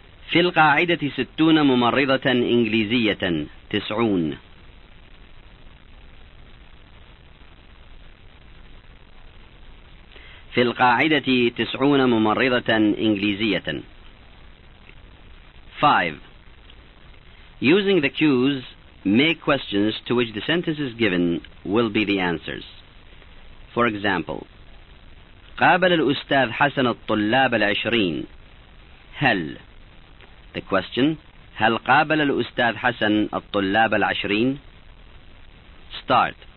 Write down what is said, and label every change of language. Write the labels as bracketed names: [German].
[Arabic] في القاعدة 60 ممرضة إنجليزية. 90. في القاعدة 90 ممرضة إنجليزية. 5. [English] Using the cues, make questions to which the sentences given will be the answers. For example, [Arabic] قابل الأستاذ حسن الطلاب العشرين. هل [English] The question, [Arabic] هل قابل الأستاذ حسن الطلاب العشرين؟ [English] Start.